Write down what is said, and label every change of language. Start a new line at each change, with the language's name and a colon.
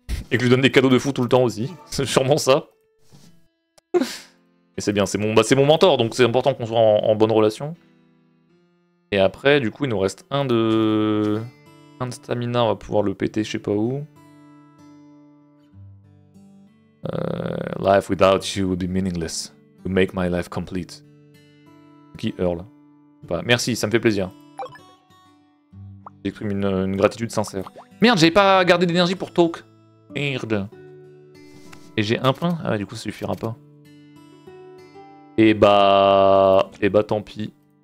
French: Et que je lui donne des cadeaux de fou tout le temps aussi. C'est sûrement ça. Mais c'est bien, c'est mon, bah, c'est mon mentor, donc c'est important qu'on soit en bonne relation. Et après, du coup, il nous reste un de stamina, on va pouvoir le péter, je sais pas où.
English: Life without you would be meaningless. You make my life complete.
French: Qui hurle. Bah, merci, ça me fait plaisir. J'exprime une gratitude sincère. Merde, j'ai pas gardé d'énergie pour talk. Merde. Et j'ai un point. Ah ouais, du coup, ça suffira pas. Et bah, tant pis.